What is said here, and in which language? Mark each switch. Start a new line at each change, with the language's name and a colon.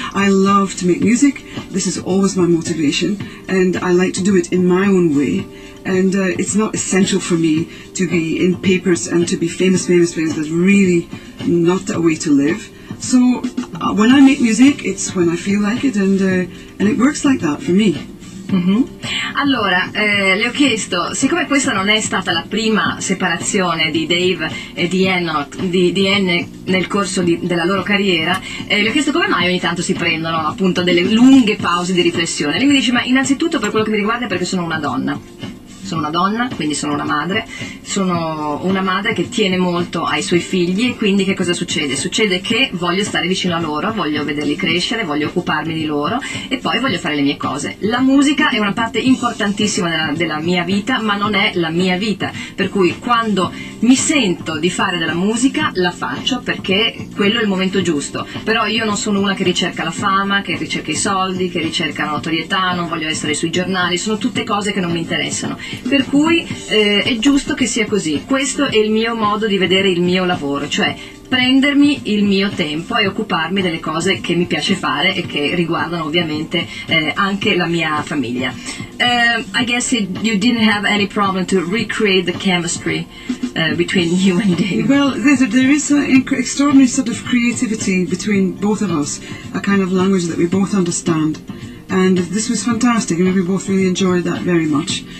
English: I love to make music. This is always my motivation, and I like to do it in my own way. And it's not essential for me to be in papers and to be famous. That's really not a way to live. So when I make music, it's when I feel like it, and it works like that for me. Mm-hmm.
Italian: Allora, le ho chiesto, siccome questa non è stata la prima separazione di Dave e di Anne nel corso della loro carriera, le ho chiesto come mai ogni tanto si prendono appunto delle lunghe pause di riflessione. Lei mi dice, ma innanzitutto per quello che mi riguarda è perché sono una donna, quindi sono una madre, che tiene molto ai suoi figli, e quindi che cosa succede? Succede che voglio stare vicino a loro, voglio vederli crescere, voglio occuparmi di loro e poi voglio fare le mie cose. La musica è una parte importantissima della mia vita, ma non è la mia vita, per cui quando mi sento di fare della musica la faccio perché quello è il momento giusto, però io non sono una che ricerca la fama, che ricerca i soldi, che ricerca la notorietà, non voglio essere sui giornali, sono tutte cose che non mi interessano. Per cui è giusto che sia così, questo è il mio modo di vedere il mio lavoro, cioè prendermi il mio tempo e occuparmi delle cose che mi piace fare e che riguardano ovviamente anche la mia famiglia.
English: I guess you didn't have any problem to recreate the chemistry between you and Dave. Well, there is an extraordinary sort of creativity between both of us, a kind of language that we both understand. And this was fantastic, and we both really enjoyed that very much.